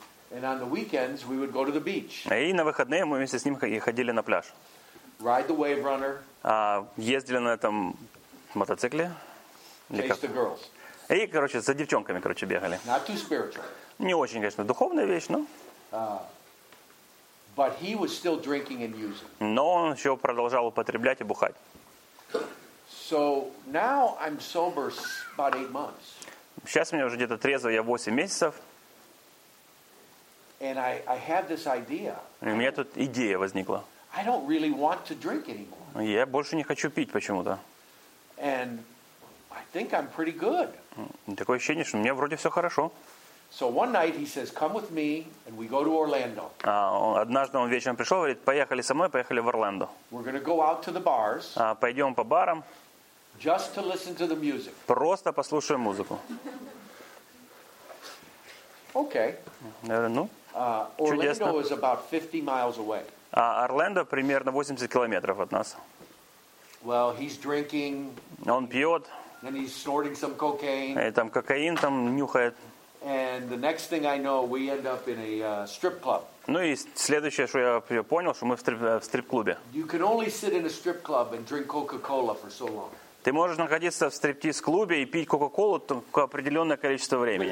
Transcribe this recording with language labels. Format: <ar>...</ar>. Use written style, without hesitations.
<en>And on the weekends we would go to the beach.</en> <ru>И на выходные мы вместе с ним ходили на пляж.</ru> <en>Ride the wave runner.</en> <ru>Ездили на этом мотоцикле.</ru> <en>Chase the girls.</en> <ru>И, короче, за девчонками, короче, бегали.</ru> <en>Not too spiritual.</en> <ru>Не очень, конечно, духовная вещь, но.</ru> <en>But he was still drinking and using.</en> <ru>Но он еще продолжал употреблять и бухать.</ru> <en>So now I'm sober about 8 months.</en> <ru>Сейчас у меня уже где-то трезво, я 8 месяцев.</ru> <en>And I have this idea.</en> <ru>И у меня тут идея возникла.</ru> <en>I don't really want to drink anymore.</en> <ru>Я больше не хочу пить почему-то.</ru> <en>And I think I'm pretty good.</en> <ru>Такое ощущение, что у меня вроде все хорошо.</ru> <en>So one night he says, "Come with me, and we go to Orlando."</en> <ru>Однажды он вечером пришел, говорит, поехали со мной, поехали в Орландо.</ru> <en>We're going to go out to the bars.</en> <ru>Пойдем по барам.</ru> <en>Just to listen to the music.</en> <ru>Просто послушаем музыку.</ru> <en>Okay.</en> <ru>Ну,</ru> <en>Orlando is about 50 miles away.</en> <ru>Орландо примерно 80 километров от нас.</ru> <en>Well, he's drinking.</en> <ru>Он пьет.</ru> <en>And he's snorting some cocaine.</en> <ru>И там кокаин там нюхает.</ru> <en>And the next thing I know, we end up in a strip club.</en> <ru>Ну и следующее, что я понял, что мы в стрип-клубе.</ru> <en>You can only sit in a strip club and drink Coca-Cola for so long.</en> <ru>Ты можешь находиться в стриптиз-клубе и пить Кока-Колу только определенное количество времени.</ru>